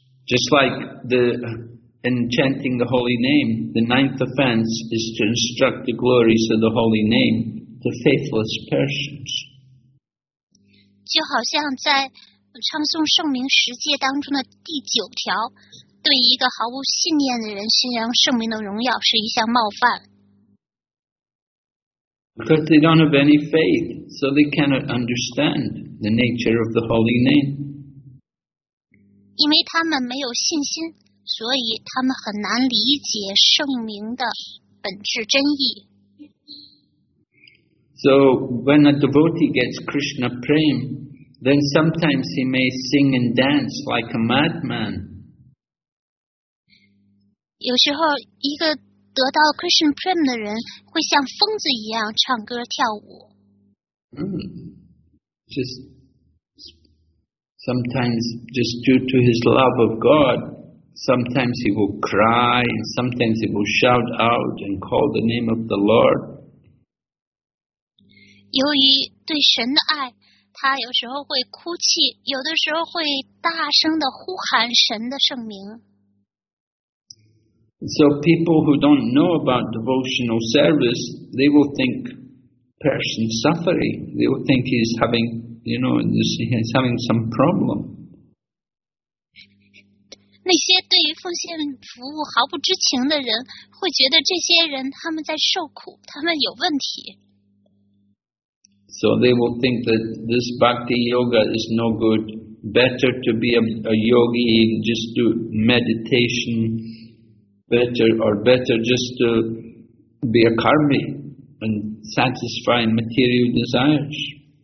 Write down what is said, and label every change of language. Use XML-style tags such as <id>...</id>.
<en>Just like the in chanting the holy name, the ninth offense is to instruct the glories of the holy name to faithless persons.</en> <zh>就好像在唱诵圣名十诫当中的第九条，对一个毫无信念的人宣扬圣名的荣耀是一项冒犯。</zh> <en>Because they don't have any faith, so they cannot understand the nature of the holy name.</en> <zh>因为他们没有信心，所以他们很难理解圣名的本质真意。</zh> <en>So when a devotee gets Krishna Prem, then sometimes he may sing and dance like a madman.</en> <zh>有时候一个得到 Krishna Prem 的人会像疯子一样唱歌跳舞。</zh> <en>Just sometimes, just due to his love of God, sometimes he will cry, and sometimes he will shout out and call the name of the Lord.</en> <zh>由于对神的爱，他有时候会哭泣，有的时候会大声的呼喊神的圣名。</zh> <en>So people who don't know about devotional service, they will think person suffering. They will think he's having, you know, he's having some problem.</en> <zh>那些对于奉献服务毫不知情的人会觉得这些人他们在受苦，他们有问题。</zh> <en>So they will think that this bhakti yoga is no good. Better to be a yogi and just do meditation. Better just to be a karmi and satisfy material desires.</en>